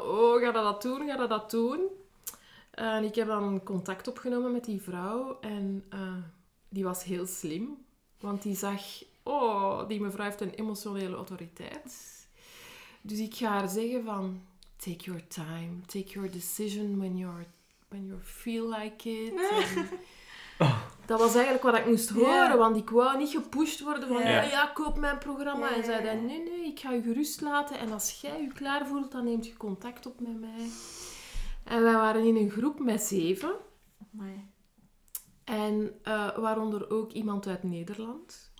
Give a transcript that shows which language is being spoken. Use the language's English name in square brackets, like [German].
[Dutch] Oh, ga dat doen? Ga dat doen? En ik heb dan contact opgenomen met die vrouw. En die was heel slim. Want die zag... Oh, die mevrouw heeft een emotionele autoriteit. Dus ik ga haar zeggen van... [English] Take your time. Take your decision when you feel like it. [Dutch] Dat was eigenlijk wat ik moest horen, want ik wou niet gepusht worden van koop mijn programma. En zei dan, nee, ik ga je gerust laten. En als jij je klaar voelt, dan neemt je contact op met mij. En wij waren in een groep met 7. Amai. En waaronder ook iemand uit Nederland.